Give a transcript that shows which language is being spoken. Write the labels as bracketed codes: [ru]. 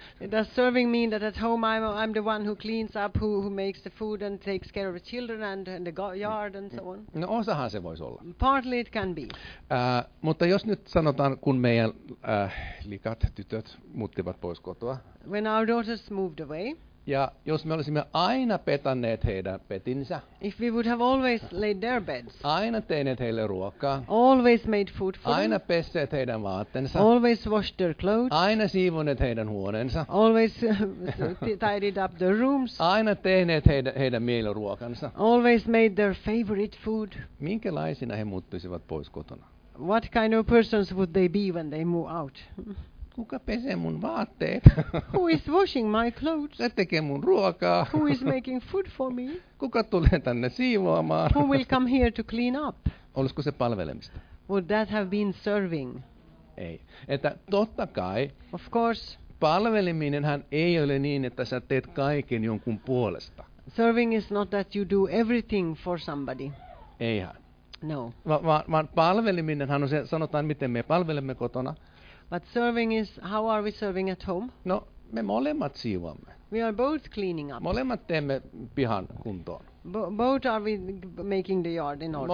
[en] Does serving mean that at home I'm the one who cleans up, who makes the food and takes care of the children and the yard and so on? [fi] No osahan se voisi olla. [en] Partly it can be. [fi] Mutta jos nyt sanotaan, kun meidän likat, tytöt muuttivat pois kotoa. [en] When our daughters moved away. [fi] Ja jos me olisimme aina petanneet heidän petinsä. [en] If we would have always laid their beds. [fi] Aina tehneet heille ruokaa. [en] Always made food for them. [fi] Aina pesseet heidän vaatteensa. [en] Always washed their clothes. [fi] Aina siivoneet heidän huoneensa. [en] Always tidied up their rooms. [fi] Aina tehneet heidän mieliruokansa. [en] Always made their favorite food. [fi] Minkälaisina he muuttuisivat pois kotona? [en] What kind of persons would they be when they move out? [fi] Kuka pesee mun vaatteet? [en] Who is washing my clothes? [fi] Se tekee mun ruokaa. [en] Who is making food for me? [fi] Kuka tulee tänne siivoamaan? [en] Who will come here to clean up? [fi] Olisiko se palvelemista? [en] Would that have been serving? [fi] Ei. Että totta kai. [en] Of course. [fi] Palveleminenhän ei ole niin, että sä teet kaiken jonkun puolesta. [en] Serving is not that you do everything for somebody. [fi] Eihän. [en] No. [fi] Vaan palveleminenhän on se, sanotaan, miten me palvelemme kotona. [en] But serving is, how are we serving at home? [fi] No, me molemmat siivoamme. [en] We are both cleaning up. [fi] Molemmat teemme pihan kuntoon. [en] Both are we making the yard in order.